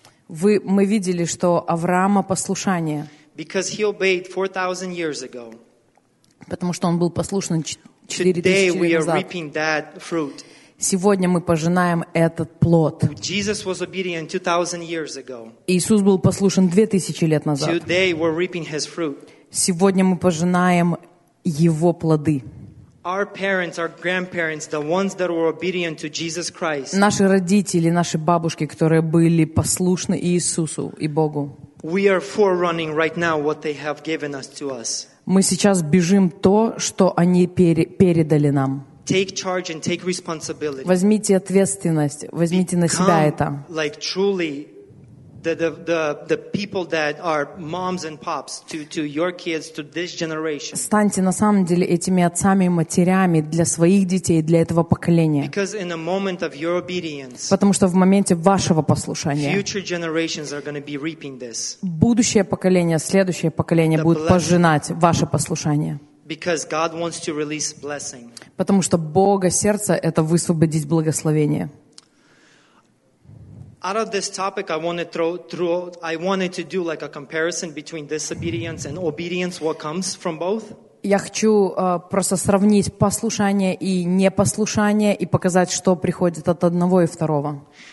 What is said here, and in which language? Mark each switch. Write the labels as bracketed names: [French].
[Russian] Мы видели, что Авраама послушание. [English] Because he obeyed 4,000 years ago. [Russian] Потому что он был послушен 4,000 лет назад. [English] Today we are reaping that fruit. [Russian] Сегодня мы пожинаем этот плод. [English] Jesus was obedient 2000 years ago. [Russian] Иисус был послушен 2000 лет назад. [English] Today we're reaping his fruit. [Russian] Сегодня мы пожинаем его плоды. [English] Our parents, our grandparents, the ones that were obedient to Jesus Christ. [Russian] Наши родители, наши бабушки, которые были послушны Иисусу и Богу. [English] We are forerunning right now what they have given us to us. [Russian] Мы сейчас бежим то, что они передали нам. [English] Take charge and take responsibility. [Russian] Возьмите ответственность, возьмите на себя это. [English] Like truly the people that are moms and pops to your kids, to this generation. [Russian] Станьте на самом деле этими отцами и матерями для своих детей, для этого поколения. [English] Because in a moment of your obedience. [Russian] Потому что в моменте вашего послушания. [English] Future generations are going to be reaping this. [Russian] Будущее поколение, следующее поколение будет пожинать ваше послушание. [English] Because God wants to release blessing. [Russian] Потому что Бога сердце это высвободить благословение. [English] Out of this topic, I wanted to do like a comparison between disobedience and obedience, what comes from both. [Russian] Я хочу просто сравнить послушание и непослушание и показать, что приходит от одного и второго.